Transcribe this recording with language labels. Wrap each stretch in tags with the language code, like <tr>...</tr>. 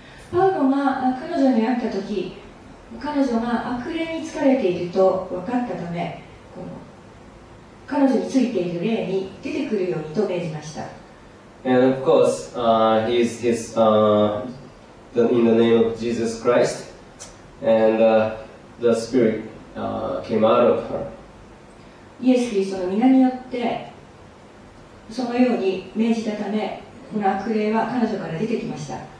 <ja>パウロが彼女に会ったとき、彼女が悪霊に疲れていると分かったため、この彼女についている霊に出てくるようにと命じました。</ja> <en>And of course, he is his, in the name of Jesus Christ, and the spirit came out of her.</en> <ja>イエス・キリストの名によってそのように命じたためこの悪霊は彼女から出てきました。</ja>